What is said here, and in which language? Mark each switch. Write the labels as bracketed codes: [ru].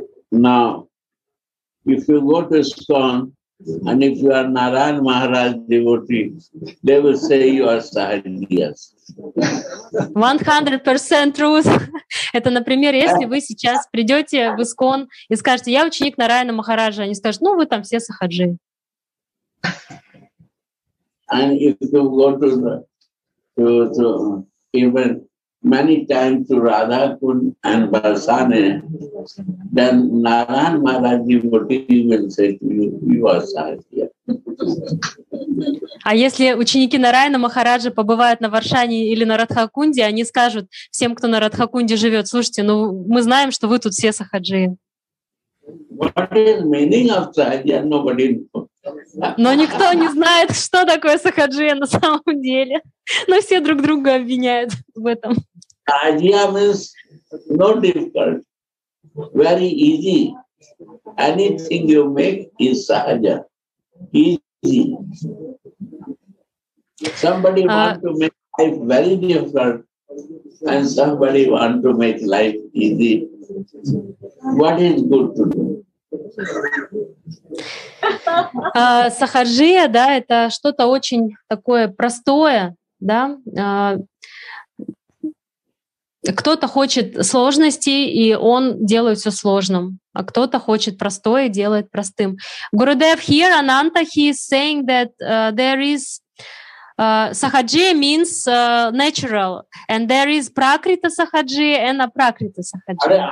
[en] Now, if you go to ISKCON and if you are Narayan Maharaj devotee, they will say you are sahajiyas. 100% truth. [ru] Это, например, если вы сейчас придете в ИСКОН и скажете, я ученик Нараяна Махараджа, они скажут, ну, вы там все сахаджи. [en] And if you go to the, to, to even many times to Radha Kund and Barsane, then Narayan Maharaj devotee will say to you, you are Sahasya. [ru] А если ученики Нараяна Махараджа побывают на Варшане или на Радхакунде, они скажут всем, кто на Радхакунде живет, слушайте, ну мы знаем, что вы тут все сахаджи. Но никто не знает, что такое сахаджи на самом деле. Но все друг друга обвиняют в этом. [en] Сахаджия means not difficult, very easy. Anything you make is сахаджа. Easy. Somebody want to make life very difficult, and somebody want to make life easy. What is good to do? [ru] Сахаджия, да, это что-то очень такое простое, да. Кто-то хочет сложности, и он делает все сложным. А кто-то хочет простое, делает простым. [en] Gurudev here, Ananta, he is saying that there is sahajya means natural, and there is prakrita sahajya and aprakrita sahajya.